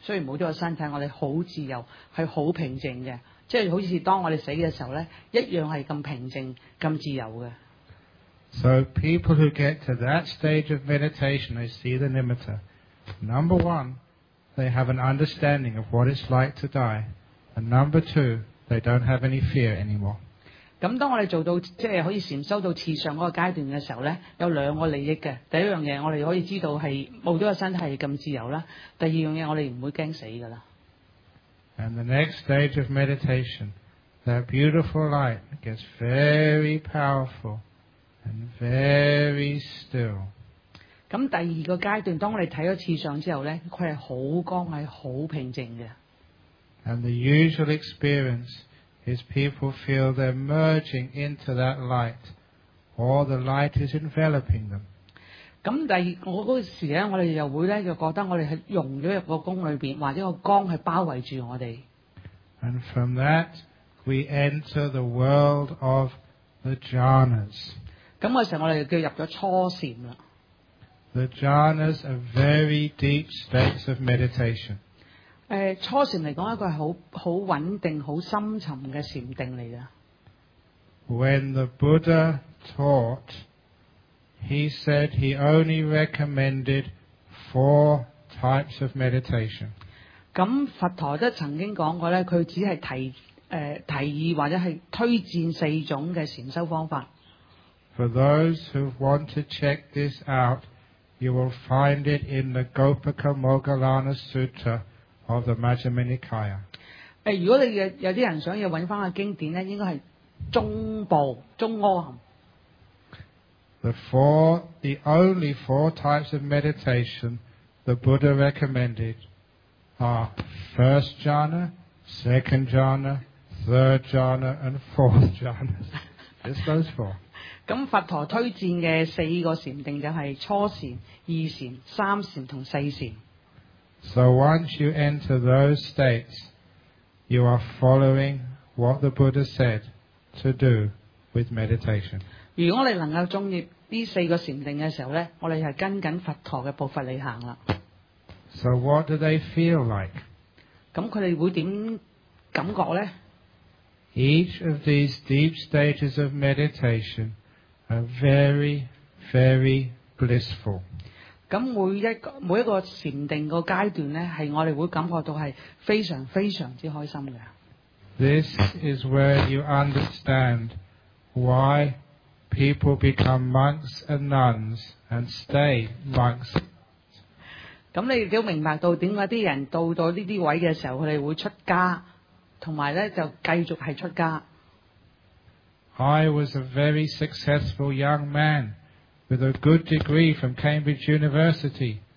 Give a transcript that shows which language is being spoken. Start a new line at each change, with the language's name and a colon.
Chinese: 雖然冇咗個身體，我哋好自由，係好平靜嘅。即係好似當我哋死嘅時候咧，一樣係咁平靜、咁自由嘅。
English: So people who get to that stage of meditation, they see the nimitta. Number one, they have an understanding of what it's like to die. And number two, they don't have any fear anymore.
Chinese: 咁當我哋做到即係可以禪修到慈相嗰個階段嘅時候咧，有兩個利益嘅。第一樣嘢，我哋可以知道係冇咗個身體咁自由啦。第二樣嘢，我哋唔會驚死噶啦。
English: And the next stage of meditation, that beautiful light gets very powerful. And very still.
Chinese: 咁第二個階段，當我哋睇咗次相之後咧，佢係好光，係好平靜嘅。
English: And the usual experience is people feel they're merging into that light, or the light is enveloping them.
Chinese: 咁第二嗰時咧，我哋又會咧，就覺得我哋係融咗入個光裏邊，或者個光係包圍住我哋。
English: And from that, we enter the world of the jhanas.
Chinese: 咁嘅時候，我哋叫入咗初禪啦。
English: The jhanas are very deep states of meditation。
Chinese: 初禪嚟講，一個係好穩定、好深沉嘅禪定嚟嘅。
English: When the Buddha taught, he said he only recommended four types of meditation。
Chinese: 咁佛陀都曾經講過咧，佢只係提議或者係推薦四種嘅禪修方法。
English: For those who want to check this out, you will find it in the Gopika Moggallana Sutta of the Majjhima Nikaya.
Chinese: 如果你有啲人想要揾翻個經典咧，應該係中部中阿含。
English: The only four types of meditation the Buddha recommended are first jhana, second jhana, third jhana, and fourth jhana. Just those four.
Chinese: 咁佛陀推薦嘅四個禪定就係初禪、二禪、三禪同四禪。
English: So once you enter those states, you are following what the Buddha said to do with meditation.
Chinese: 如果我哋能够进入呢四个禅定嘅时候咧，我哋系跟紧佛陀嘅步伐嚟行啦。
English: So what do they feel like?
Chinese: 咁佢哋会点感觉咧？
English: Each of these deep stages of meditation are very, very blissful.
Chinese: 每一個禅定的階段呢，是我們會感覺到是非常非常之開心的。
English: This is where you understand why people become monks and nuns and stay monks.
Chinese: 你也明白到為什麼那些人到了這些位置的時候，他們會出家，還有繼續是出家。
English: I was a very successful young man. With a good degree from Cambridge University.